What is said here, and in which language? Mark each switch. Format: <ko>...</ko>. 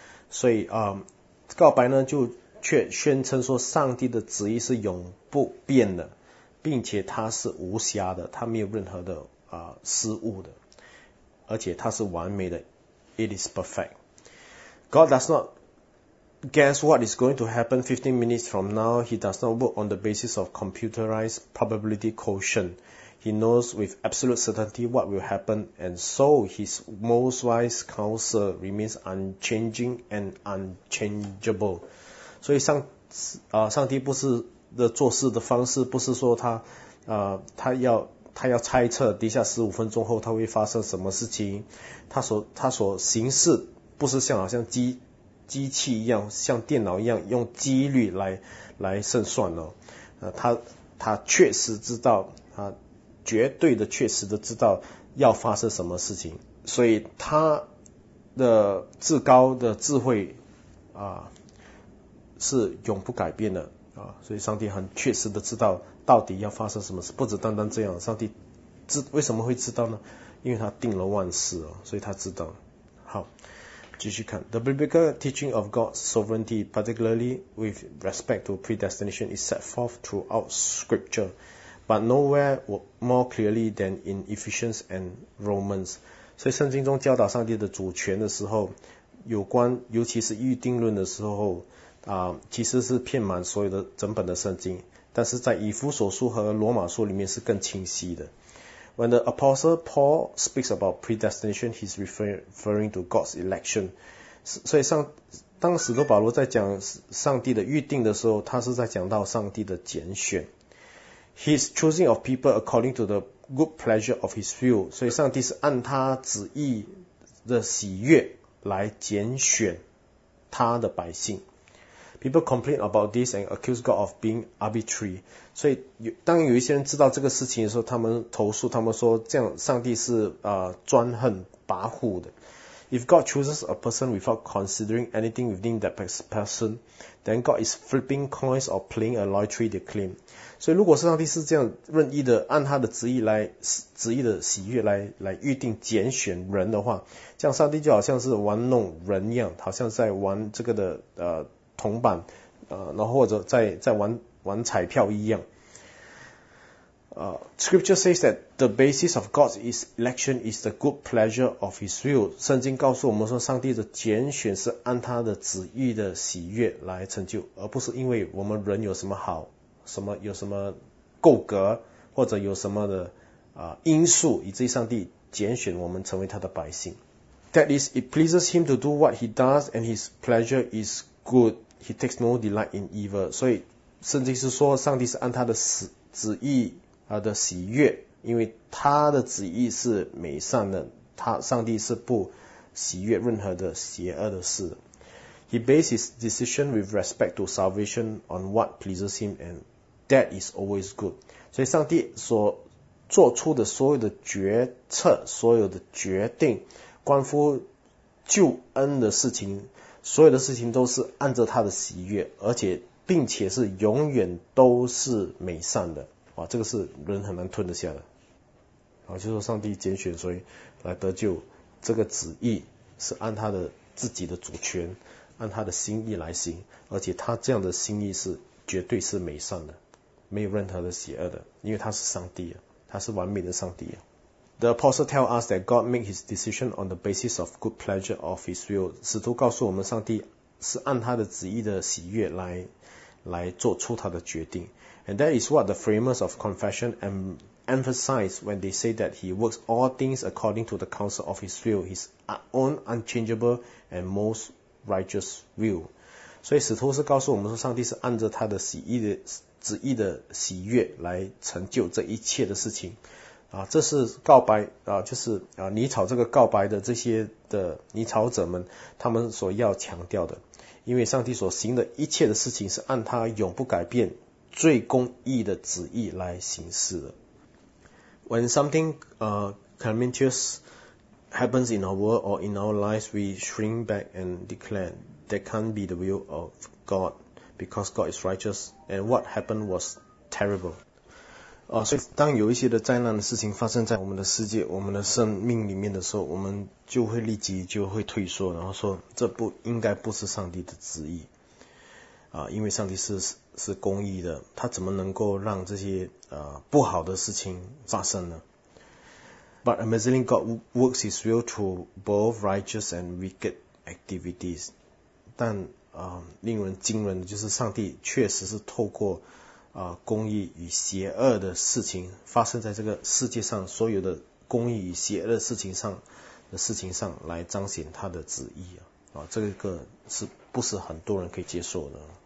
<zh>所以告白呢就却宣称说上帝的旨意是永不变的。并且它是无瑕的，它没有任何的失误的，而且它是完美的 ，</zh> <en>it is perfect. God does not guess what is going to happen 15 minutes from now. He does not work on the basis of computerized probability quotient. He knows with absolute certainty what will happen, and so his most wise counsel remains unchanging and unchangeable.</en> <zh>所以上帝不是。的做事的方式不是说他要猜测底下15分钟后他会发生什么事情，他所行事不是像好像机器一样，像电脑一样用几率来胜算他确实知道，他绝对的确实的知道要发生什么事情，所以他的至高的智慧是永不改变的。所以上帝很确实的知道到底要发生什么事，不只单单这样，上帝为什么会知道呢？因为他定了万事所以他知道。好，继续看。</zh> <en>The biblical teaching of God's sovereignty, particularly with respect to predestination, is set forth throughout scripture, but nowhere more clearly than in Ephesians and Romans.</en> <zh>所以圣经中教导上帝的主权的时候，有关尤其是预定论的时候啊，其实是遍满所有的整本的圣经，但是在以弗所书和罗马书里面是更清晰的。</zh> <en>When the apostle Paul speaks about predestination, he's referring to God's election.</en> <zh>所以上当使徒保罗在讲上帝的预定的时候，他是在讲到上帝的拣选。</zh> <en>His choosing of people according to the good pleasure of his will.</en> <zh>所以上帝是按他旨意的喜悦来拣选他的百姓。</zh> <en>People complain about this and accuse God of being arbitrary.</en> <zh>所以当有一些人知道这个事情的时候，他们投诉，他们说这样上帝是专横跋扈的。</zh> <en>If God chooses a person without considering anything within that person, then God is flipping coins or playing a lottery, they claim.</en> <zh>所以如果上帝是这样任意的按他的旨意来旨意的喜悦来预定拣选人的话，这样上帝就好像是玩弄人一样，好像在玩这个的铜板然后或者在玩彩票一样。</zh> <en>Scripture says that the basis of God's election is the good pleasure of His will.</en> <zh>圣经告诉我们说，上帝的拣选是按他的旨意的喜悦来成就，而不是因为我们人有什么好，有什么够格，或者有什么的因素，以至于上帝拣选我们成为他的百姓。</zh> <en>That is, it pleases Him to do what He does, and His pleasure is good. He takes no delight in evil.</en> <zh>所以圣经是说，上帝是按他的旨意。他的喜悦，因为他的旨意是美善的，他上帝是不喜悦任何的邪恶的事。</zh> <en>He bases his decision with respect to salvation on what pleases him, and that is always good.</en> <zh>所以上帝所做出的所有的决策，所有的决定，关乎救恩的事情，所有的事情都是按着他的喜悦，而且并且是永远都是美善的。哇，这个是人很难吞得下的。好，就说上帝拣选谁来得救，这个旨意是按他的自己的主权，按他的心意来行，而且他这样的心意是绝对是美善的，没有任何的邪恶的，因为他是上帝啊，他是完美的上帝啊。</zh> <en>The apostle tells us that God makes his decision on the basis of good pleasure of his will.</en> <zh>使徒告诉我们，上帝是按他的旨意的喜悦来做出他的决定。</zh> <en>And that is what the framers of confession emphasize when they say that he works all things according to the counsel of his will, his own unchangeable and most righteous will.</en> <zh>所以使徒是告诉我们说，上帝是按着他的旨意的喜悦来成就这一切的事情。这是告白就是尼采这个告白的这些的尼采者们他们所要强调的。因为上帝所行的一切的事情是按他永不改变最公义的旨意来行事的。</zh> <en>When something calamitous happens in our world or in our lives, we shrink back and declare that can't be the will of God because God is righteous and what happened was terrible.</en> <zh>所以当有一些的灾难的事情发生在我们的世界、我们的生命里面的时候，我们就会立即就会退缩，然后说这不应该不是上帝的旨意。因为上帝是公义的，他怎么能够让这些不好的事情发生呢？</zh> <en>But amazingly, God works his will through both righteous and wicked activities.</en> <zh>但令人惊人的就是上帝确实是透过公义与邪恶的事情发生在这个世界上，所有的公义与邪恶的事情上来彰显他的旨意这个是不是很多人可以接受的。</zh>